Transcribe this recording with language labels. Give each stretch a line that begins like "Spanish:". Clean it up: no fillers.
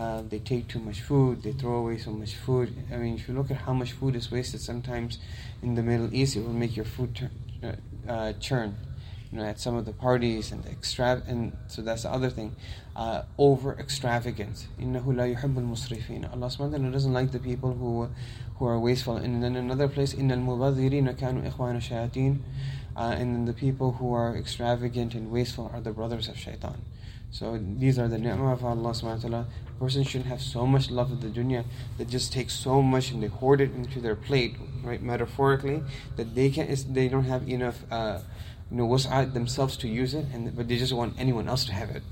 English: They take too much food, they throw away so much food. I mean, if you look at how much food is wasted sometimes in the Middle East, it will make your food churn. You know, at some of the parties and so that's the other thing. Over extravagance.
Arabic: إِنَّهُ لَا يُحِبُّ الْمُسْرِفِينَ.
English: Allah subhanahu wa ta'ala doesn't like the people who are wasteful. And then another place,
Arabic: إِنَّ الْمُبَذِّرِينَ كَانُوا إِخْوَانَ الشَّيَاطِينَ.
English: And then the people who are extravagant and wasteful are the brothers of shaitan. So these are the ni'mah of Allah subhanahu wa ta'ala. A person shouldn't have so much love of the dunya that just takes so much and they hoard it into their plate, right, metaphorically, that they don't have enough wus'at themselves to use it, but they just want anyone else to have it.